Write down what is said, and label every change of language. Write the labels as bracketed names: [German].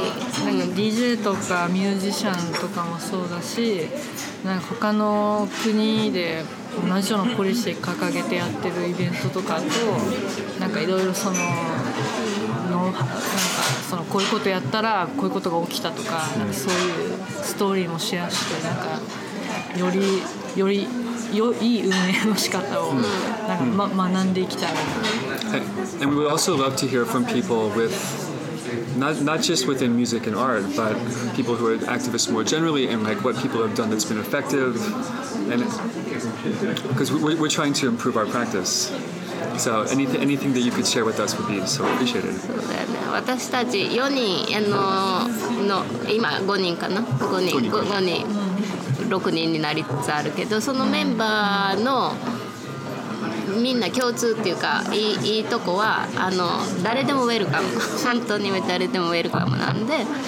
[Japanese] なんか DJ とかミュージシャンとかもそうだし、なんか他の国で同じようなポリシー掲げてやってるイベントとかと、なんかいろいろその。なんかそのこういうことやったらこういうことが起きたとか、なんかそういうストーリーもシェアして、なんかより良い運営の仕方をなんか、学んでいきたい。 [English] And we would also love to hear from people with not just within music and art, but people who are activists more generally, and like what people have done that's been effective, and because we're trying to improve our practiceSo anything that you could share with us would be so appreciated. [Japanese] そうだよね。私たち4人の今5人かな、5人、6人になりつつあるけど、そのメンバーのみんな共通っていうか、いいとこは誰でもウェルカム、本当に誰でもウェルカムなんで、